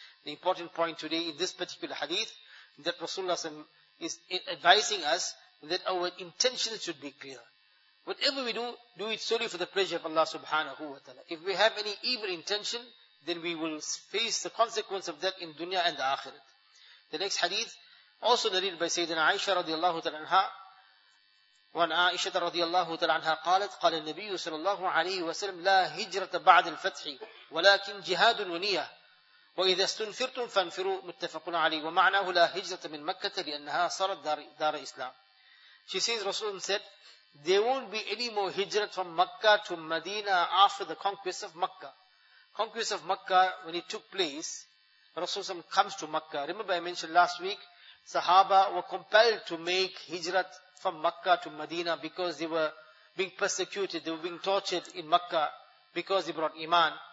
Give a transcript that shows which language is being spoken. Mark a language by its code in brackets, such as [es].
[en] The important point today in this particular hadith, that Rasulullah is advising us that our intention should be clear. Whatever we do, do it solely for the pleasure of Allah subhanahu wa ta'ala. If we have any evil intention, then we will face the consequence of that in dunya and the akhirat. The next hadith, also narrated by Sayyidina Aisha radiallahu ta'ala anha. [ar] وعن عائشة رضي الله تعالى عنها قالت قال النبي صلى الله عليه وسلم لا هجرة بعد الفتح ولكن جهاد ونية وإذا استنفرتم فانفروا متفق عليه ومعناه لا هجرة من مكة لأنها صارت دار إسلام. [en] She says, Rasulullah said, there won't be any more hijrat from Makkah to Medina after the conquest of Makkah. Conquest of Makkah, when it took place, Rasulullah comes to Makkah. Remember I mentioned last week, Sahaba were compelled to make hijrat from Makkah to Medina because they were being persecuted, they were being tortured in Makkah because they brought Iman.